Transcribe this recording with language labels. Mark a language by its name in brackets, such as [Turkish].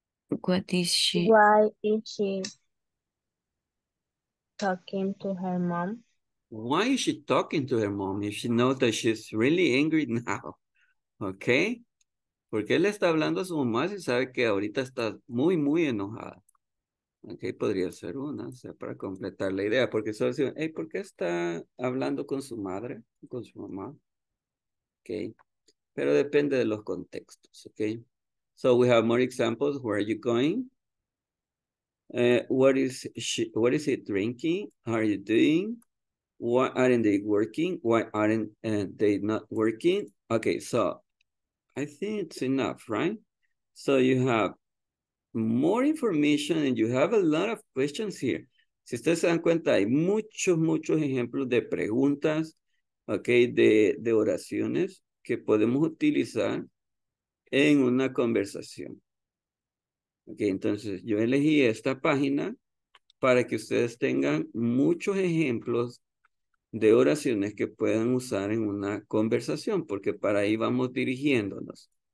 [English] Why is she talking to her mom? Why is she talking to her mom if she knows that she's really angry now? Okay. [Spanish] ¿Por qué le está hablando a su mamá si sabe que ahorita está muy, muy enojada? Ok, podría ser una, o sea, para completar la idea. Porque solo decimos, hey, ¿por qué está hablando con su madre, con su mamá? Ok, pero depende de los contextos, ok. [English] So we have more examples. Where are you going? What is it drinking? How are you doing? Why aren't they working? Why aren't they not working? Ok, so I think it's enough, right? So you have more information and you have a lot of questions here. [Spanish] Si ustedes se dan cuenta, hay muchos, muchos ejemplos de preguntas, okay, de oraciones que podemos utilizar en una conversación. Ok, entonces yo elegí esta página para que ustedes tengan muchos ejemplos de oraciones que puedan usar en una conversación, porque para ahí vamos dirigiéndonos.